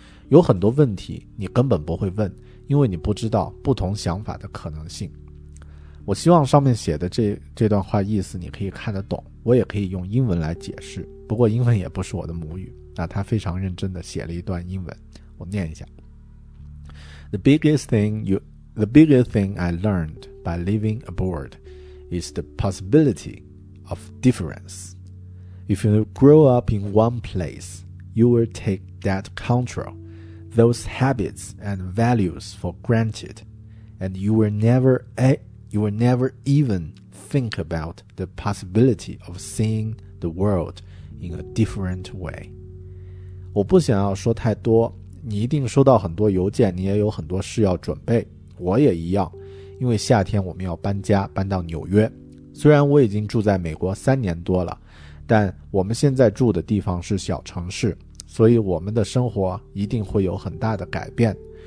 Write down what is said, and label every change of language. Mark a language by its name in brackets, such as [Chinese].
[Chinese] 有很多问题你根本不会问，因为你不知道不同想法的可能性。我希望上面写的这段话意思你可以看得懂，我也可以用英文来解释，不过英文也不是我的母语。那他非常认真地写了一段英文，我念一下。 [English] The biggest thing I learned by living abroad is the possibility of difference. If you grow up in one place, you will take that control, those habits and values for granted, and you will never even think about the possibility of seeing the world in a different way. [Chinese] 我不想要说太多，你一定收到很多邮件，你也有很多事要准备，我也一样，因为夏天我们要搬家，搬到纽约。虽然我已经住在美国3年多了，但我们现在住的地方是小城市，所以我们的生活一定会有很大的改变。